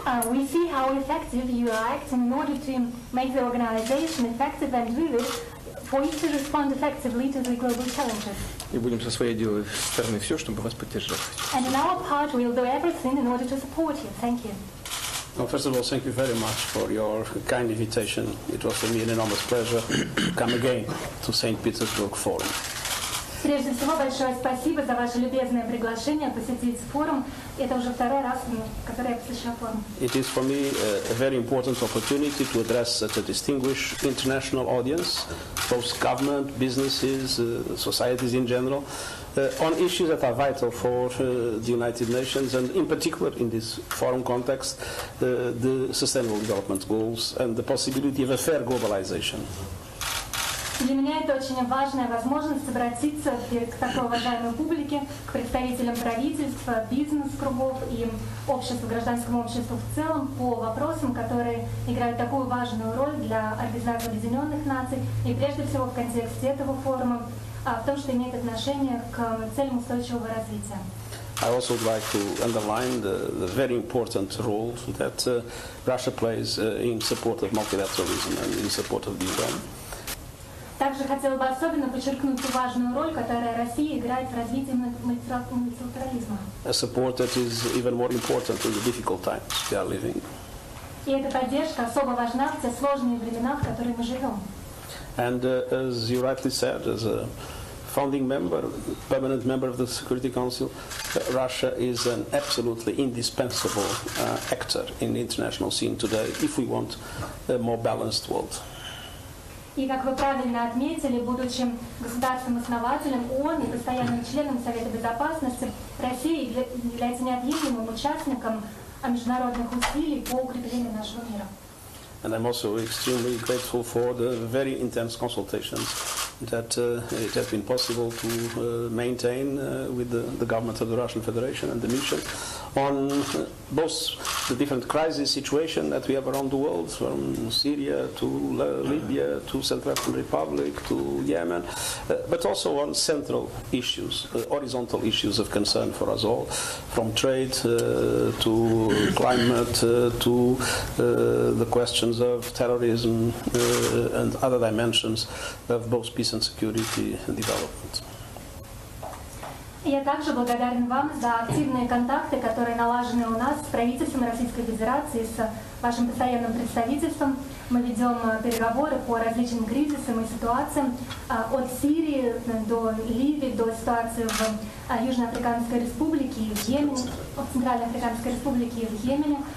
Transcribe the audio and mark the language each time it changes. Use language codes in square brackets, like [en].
[en] We see how effective you act in order to make the organization effective and vivid for it to respond effectively to the global challenges. [ru] И будем со своей стороны все, чтобы вас поддержать. [en] And on our part, we'll do everything in order to support you. Thank you. Well, first of all, thank you very much for your kind invitation. It was for me an enormous pleasure to come again to St. Petersburg Forum. [ru] Прежде всего, большое спасибо за ваше любезное приглашение посетить форум. Это уже второй раз, который я посещаю форум. [en] It is for me a very important opportunity to address such a distinguished international audience, both government, businesses, societies in general, on issues that are vital for the United Nations, and in particular in this forum context, the Sustainable Development Goals and the possibility of a fair globalization. [ru] Для меня это очень важная возможность обратиться к такой уважаемой публике, к представителям правительства, бизнес-кругов и обществу, гражданскому обществу в целом по вопросам, которые играют такую важную роль для Организации Объединенных Наций и прежде всего в контексте этого форума, а в том, что имеет отношение к целям устойчивого развития. [en] I also would like to underline the very important role that Russia plays in support of multilateralism and in support of the UN. [ru] Также хотела бы особенно подчеркнуть ту важную роль, которую Россия играет в развитии мультилатерализма. [en] A support that is even more important in the difficult times we are living. [ru] И эта поддержка особо важна в те сложные времена, в которые мы живем. [en] And as you rightly said, as a founding member, permanent member of the Security Council, Russia is an absolutely indispensable actor in the international scene today if we want a more balanced world. [ru] И как вы правильно отметили, будучи государством-основателем ООН и постоянным членом Совета Безопасности, Россия является неотъемлемым участником международных усилий по укреплению нашего мира. [en] And I'm also extremely grateful for the very intense consultations that it has been possible to maintain with the government of the Russian Federation and the mission on both the different crisis situation that we have around the world, from Syria to Libya to Central African Republic to Yemen, but also on central issues, horizontal issues of concern for us all, from trade to climate to the questions of terrorism and other dimensions of both peace and security and development. [ru] Я также благодарен вам за активные контакты, которые налажены у нас с правительством Российской Федерации, с вашим постоянным представительством. Мы ведем переговоры по различным кризисам и ситуациям от Сирии до Ливии, до ситуации в Южной Африканской Республике и в Йемене, в Центральной Африканской Республике и в Йемене.